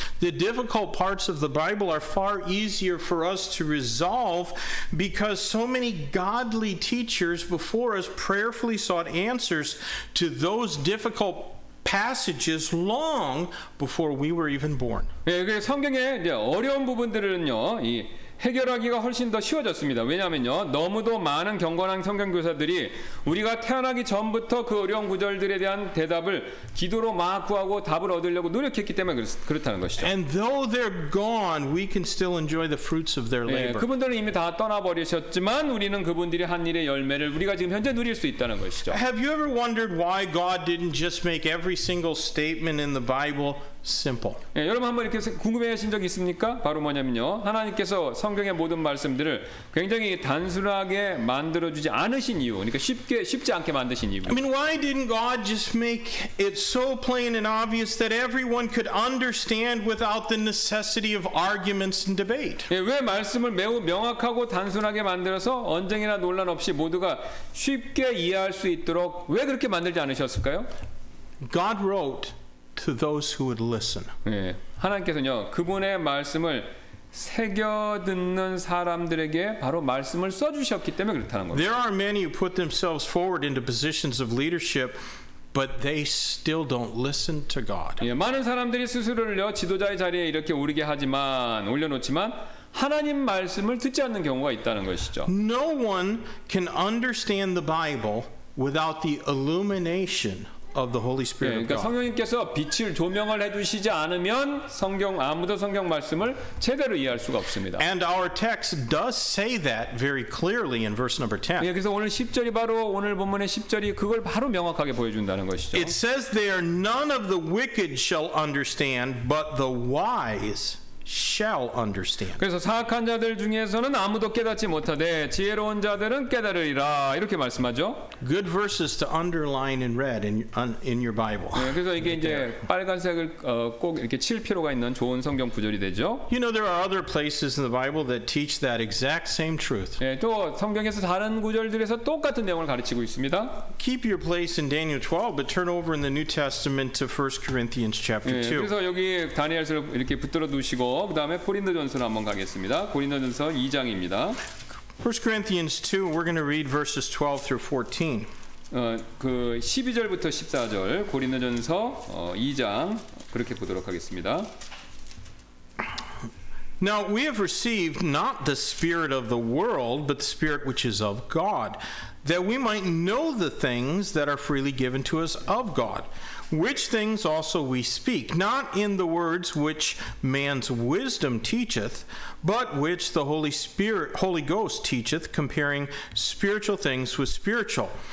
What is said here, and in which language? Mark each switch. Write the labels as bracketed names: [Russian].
[English] The difficult parts of the Bible are far easier for us to resolve because so many godly teachers before us prayerfully sought answers to those difficult passages long before we were even born. [Korean] 예, 그 성경의 이제 어려운 부분들은요, 이 해결하기가 훨씬 더 쉬워졌습니다. 왜냐하면요, 너무도 많은 경건한 성경 교사들이 우리가 태어나기 전부터 그 어려운 구절들에 대한 대답을 기도로 막 구하고 답을 얻으려고 노력했기 때문에 그렇다는 것이죠. [English] And though they're gone, we can still enjoy the fruits of their labor. [Korean] 예, 그분들은 이미 다 떠나버리셨지만 우리는 그분들이 한 일의 열매를 우리가 지금 현재 누릴 수 있다는 것이죠. [English] Have you ever wondered why God didn't just make every single statement in the Bible simple? [Korean] 예, 여러분 한번 이렇게 궁금해하신 적 있습니까? 바로 뭐냐면요, 하나님께서 성경의 모든 말씀들을 굉장히 단순하게 만들어 주지 않으신 이유, 그러니까 쉽지 않게 만드신 이유. [English] I mean, why didn't God just make it so plain and obvious that everyone could understand without the necessity of arguments and debate? [Korean] 예, 왜 말씀을 매우 명확하고 단순하게 만들어서 언쟁이나 논란 없이 모두가 쉽게 이해할 수 있도록 왜 그렇게 만들지 않으셨을까요? [English] God wrote to those who would listen. [Korean] 예, 하나님께서는요, 그분의 말씀을 새겨 듣는 사람들에게 바로 말씀을 써 주셨기 때문에 그렇다는 거죠. [English] There are many who put themselves forward into positions of leadership, but they still don't listen to God. [Korean] 예, 많은 사람들이 스스로를요 지도자의 자리에 이렇게 오르게 하지만 올려놓지만 하나님 말씀을 듣지 않는 경우가 있다는 것이죠. [English] No one can understand the Bible without the illumination of the Holy Spirit. [Korean] 예, 그러니까 성령님께서 빛을 조명을 해 주시지 않으면 성경 아무도 성경 말씀을 제대로 이해할 수가 없습니다. [English] And our text does say that very clearly in verse number 10. [Korean] 예, 그래서 오늘 10절이 바로 오늘 본문의 10절이 그걸 바로 명확하게 보여 준다는 것이죠. [English] It says there none of the wicked shall understand but the wise shall understand. [Korean] 그래서 사악한 자들 중에서는 아무도 깨닫지 못하되 지혜로운 자들은 깨달으리라 이렇게 말씀하죠. [English] Good verses to underline in red in your Bible. [Korean] 네, 그래서 이게 이제 빨간색을 꼭 이렇게 칠 필요가 있는 좋은 성경 구절이 되죠. [English] You know there are other places in the Bible that teach that exact same truth. [Korean] 네, 또 성경에서 다른 구절들에서 똑같은 내용을 가르치고 있습니다. [English] Keep your place in Daniel 12, but turn over in the New Testament to 1 Corinthians chapter 2. [Korean] 네, 그래서 여기 다니엘서를 이렇게 붙들어 두시고. 그 다음에 고린도전서로 한번 가겠습니다. 고린도전서 2장입니다. [English] 1 Corinthians 2, we're going to read verses 12 through 14. [Korean] 그 12절부터 14절 고린도전서 2장 그렇게 보도록 하겠습니다. [English] Now we have received not the spirit of the world, but the spirit which is of God, that we might know the things that are freely given to us of God. Which things also we speak, not in the words which man's wisdom teacheth, but which the Holy Ghost teacheth, comparing spiritual things with spiritual.